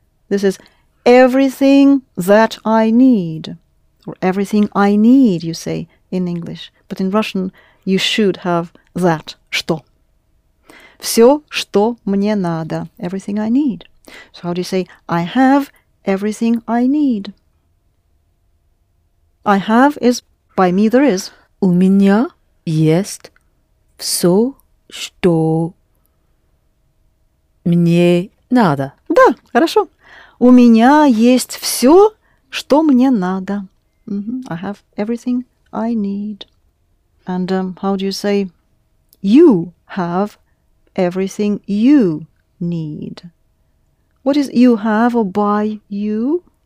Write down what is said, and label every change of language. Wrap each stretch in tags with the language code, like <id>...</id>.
<en>This is everything that I need, or everything I need, you say in English. But in Russian, you should have that,</en> <ru>что. Всё, что мне надо,</ru> <en>everything I need. So how do you say, I have everything I need? I have is, by me there is.</en> <ru>У меня есть всё, что мне надо. Да, хорошо. У меня есть всё, что мне надо.</ru> <en>Mm-hmm. I have everything I need. And how do you say, you have everything you need? What is you have or by you?</en>